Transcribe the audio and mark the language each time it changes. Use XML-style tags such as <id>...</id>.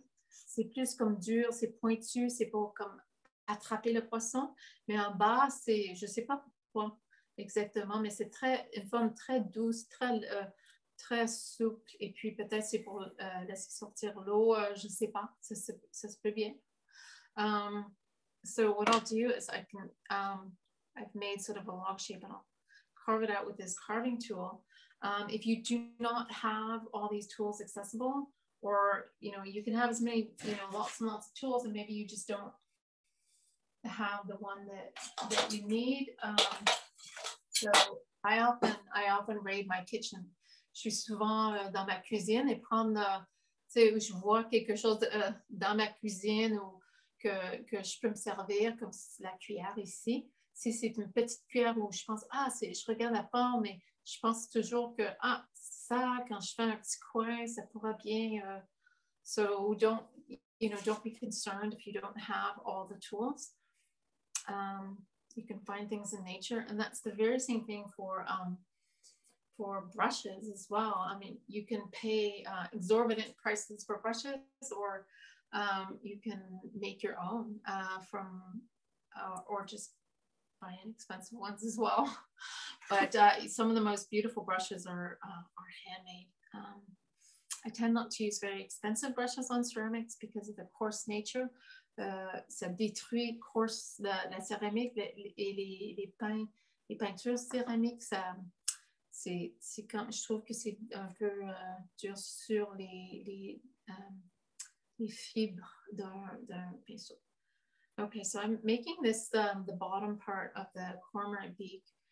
<fr>C'est plus comme dur, c'est pointu, c'est pour comme attraper le poisson. Mais en bas, c'est, je sais pas pourquoi exactement, mais c'est très, une forme très douce, très très souple. Et puis peut-être c'est pour laisser sortir l'eau, je sais pas. Ça se peut bien.</fr> <en>So what I'll do is I've made sort of a log shape, and I'll carve it out with this carving tool. If you do not have all these tools accessible, or you know, you can have as many, you know, lots and lots of tools, and maybe you just don't have the one that you need. So I often raid my kitchen.</en> <fr>Je suis souvent dans ma cuisine et prendre, tu sais, où je vois quelque chose dans ma cuisine ou que je peux me servir, comme la cuillère ici. Si c'est une petite cuillère où je pense, ah, c'est, je regarde la forme, mais je pense toujours que, ah, ça, quand je fais un petit coin, ça pourra bien.</fr> <en>So don't, you know, don't be concerned if you don't have all the tools. You can find things in nature. And that's the very same thing for brushes as well. I mean, you can pay exorbitant prices for brushes, or you can make your own from, or just buy inexpensive ones as well. But some of the most beautiful brushes are handmade. I tend not to use very expensive brushes on ceramics because of the coarse nature.</en> <fr>Ça détruit coarse la céramique et les peintures céramiques. Ça, c'est quand je trouve que c'est un peu dur sur les fibres d'un pinceau.</fr> <en>Okay, so I'm making this the bottom part of the cormorant beak.</en>